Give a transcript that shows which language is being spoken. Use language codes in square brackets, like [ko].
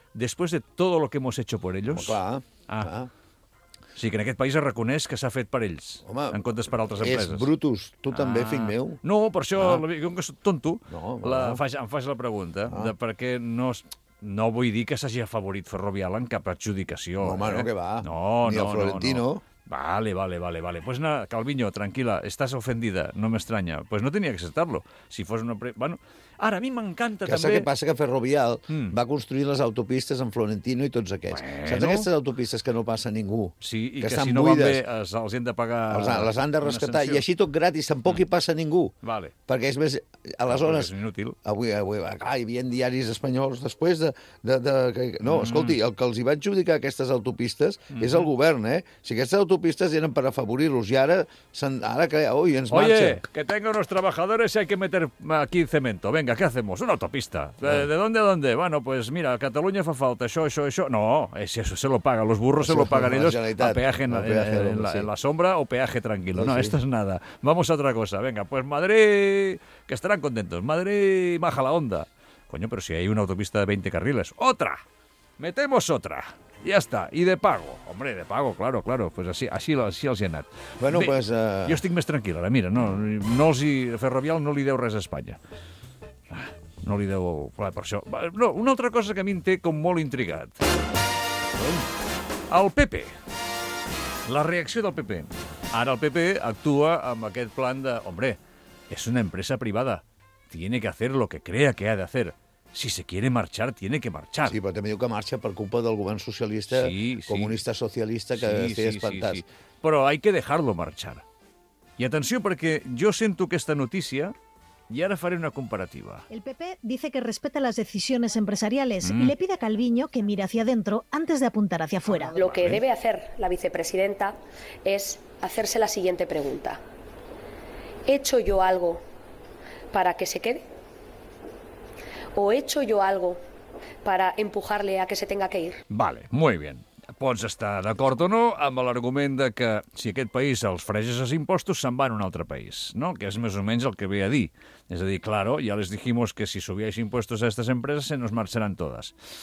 [ca] Després de tot el que [es] hemos hecho por ellos... [ca] Oh, clar, clar. O sigui, que en aquest país es reconeix que s'ha fet per ells, home, en comptes per altres empreses. És Brutus, tu també, fill meu. No, per això, com que soc tonto, em faig la pregunta de per què no... No vull dir que s'hagi afavorit Ferrovial en cap adjudicació. No, ni el Florentino. [es] Vale. Pues nada, Calviño, tranquila, estás ofendida, no me extraña. Pues no tenía que aceptarlo. [ca] Si fos una... Bueno, ara, a mi m'encanta també... Què passa? Que Ferrovial va construir les autopistes en Florentino i tots aquests. Bueno. Saps aquestes autopistes que no passa ningú? Sí, i que si no buides, van bé, els hem de pagar... Les han de rescatar, i així tot gratis, tampoc hi passa ningú. Vale. Perquè és més... Aleshores... És inútil. Avui hi havia diaris espanyols després de... No, escolti, el que els hi va adjudicar aquestes autopistes és el govern, Si aquestes autopistes eren per afavorir-los, i ara que... Ui, ens marxen. [es] Oye, que tengo unos trabajadores y hay que meter aquí cemento. Venga, ¿qué hacemos? Una autopista. ¿De dónde a dónde? Bueno, pues mira, a Cataluña [ca] fa falta això. [es] No, eso se lo paga. Los burros se lo pagan ellos a peaje en la sombra o peaje tranquilo. Sí, no, esto es nada. Vamos a otra cosa. Venga, pues Madrid, que estarán contentos. Madrid, Majalahonda. Coño, pero si hay una autopista de 20 carriles. ¡Otra! ¡Metemos otra! [ca] Ja està, i de pago. [es] Hombre, de pago, claro, pues así [ca] els hi ha anat. [es] Bueno, pues... [ca] Jo estic més tranquil, ara, mira, no els hi... Ferrovial no li deu res a Espanya. No li deu... Clar, per això... No, una altra cosa que a mi em té com molt intrigat. El PP. La reacció del PP. Ara el PP actua amb aquest plan de... Hombre, és una empresa privada. [es] Tiene que hacer lo que crea que ha de hacer. Si se quiere marchar, tiene que marchar. [ca] Sí, però també diu que marxa per culpa del govern socialista, comunista socialista, que té espantats. [es] Sí. Però hay que dejarlo marchar. [ca] I atenció, perquè jo sento aquesta notícia i ara faré una comparativa. [es] El PP dice que respeta las decisiones empresariales y le pide a Calviño que mire hacia adentro antes de apuntar hacia afuera. Lo que debe hacer la vicepresidenta es hacerse la siguiente pregunta. ¿He hecho yo algo para que se quede? ¿O he hecho yo algo para empujarle a que se tenga que ir? Vale, muy bien. [ca] Pots estar d'acord o no amb l'argument de que si aquest país els freges els impostos, se'n va a un altre país, no? Que és més o menys el que ve a dir. És a dir, [es] claro, ya les dijimos que si subíais impostos a estas empresas se nos marcharán todas.